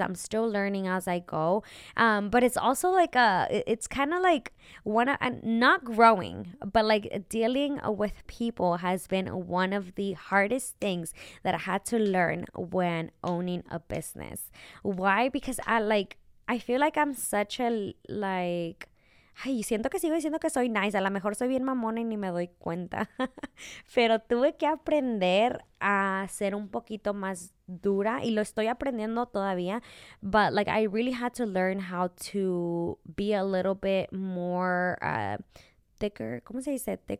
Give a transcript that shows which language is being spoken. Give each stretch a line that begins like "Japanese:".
English: I'm still learning as I go. But it's also like it's kind of like one of, not growing, but like dealing with people has been one of the hardest things that I had to learn when owning a business. Why? Because I feel like I'm such a, like...
Spanish: ay, siento que sigo diciendo que soy nice. A lo mejor soy bien mamona y ni me doy cuenta. Pero tuve que aprender a ser un poquito más dura. Y lo estoy aprendiendo todavía.
English: But, like, I really had to learn how to be a little bit more thicker.
Spanish: ¿Cómo se dice?